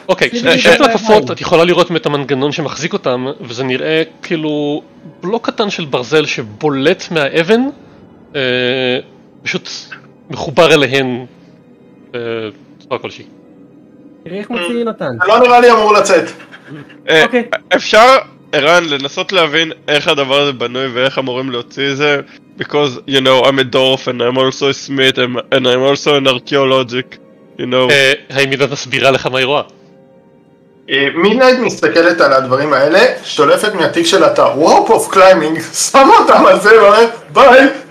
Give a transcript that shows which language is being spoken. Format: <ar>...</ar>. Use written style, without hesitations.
<he>אוקיי, כשאני שואל את הכפפות, את יכולה לראות את המנגנון שמחזיק אותם, וזה נראה כאילו בלוק קטן של ברזל שבולט מהאבן, פשוט מחובר אליהן בצורה כלשהי. תראה איך מוציא נתן. לא נראה לי אמור לצאת. אוקיי. אפשר, ערן, לנסות להבין איך הדבר הזה בנוי ואיך אמורים להוציא זה?</he> <en>Because, you know, I'm a dwarf and I'm also a smith and I'm also an archaeologic, you know.</en> <he>האם מידת מסבירה לך מה היא רואה? מידת מסתכלת על הדברים האלה, שולפת מהתיק של אתה, Warp of Climbing, שמה אותם על זה ואומרת, ביי,</he>